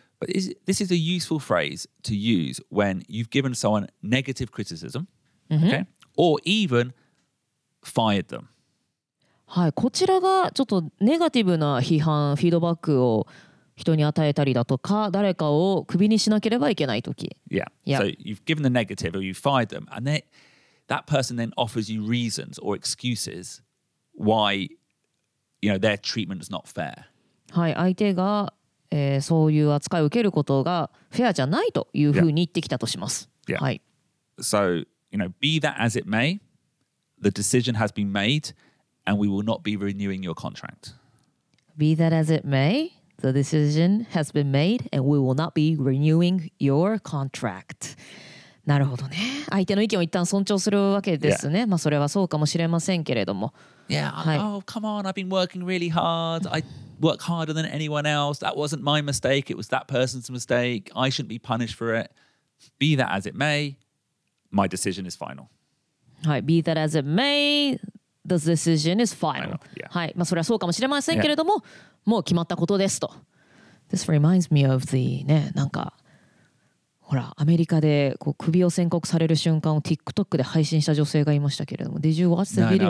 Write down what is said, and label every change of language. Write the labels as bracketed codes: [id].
[en] But this is a useful phrase to use when you've given someone negative criticism、 mm-hmm. okay? Or even fired them [ja] はい、こちらがちょっとネガティブな批判、フィードバックを人に与えたりだとか、誰かをクビにしなければいけないとき。 [en] Yeah. yeah. So you've given the negative or you fired them, and then that person then offers you reasons or excuses why, you know, their treatment is not fair. [ja] はい、相手が、そういう扱いを受けることがフェアじゃないというふうに言ってきたとします。 [en] Yeah. [ja] はい。 [en] So, you know, be that as it may, the decision has been made. And we will not be renewing your contract. Be that as it may, the decision has been made, and we will not be renewing your contract. [ja] なるほどね。相手の意見を一旦尊重するわけですね。 [en] Yeah. [ja] まあそれはそうかもしれませんけれども。 [en] Yeah. はい、oh, come on. I've been working really hard. I work harder than anyone else. That wasn't my mistake. It was that person's mistake. I shouldn't be punished for it. Be that as it may, my decision is final. はい。Be that as it may. The decision is final. Yeah. [ja] はい、まあそれはそうかもしれませんけれども、yeah. もう決まったことですと。 [en] This reminds me of the [ja] ね、なんかほらアメリカでこう首を宣告される瞬間を TikTok で配信した女性がいましたけれども、 [en] Did you watch the no,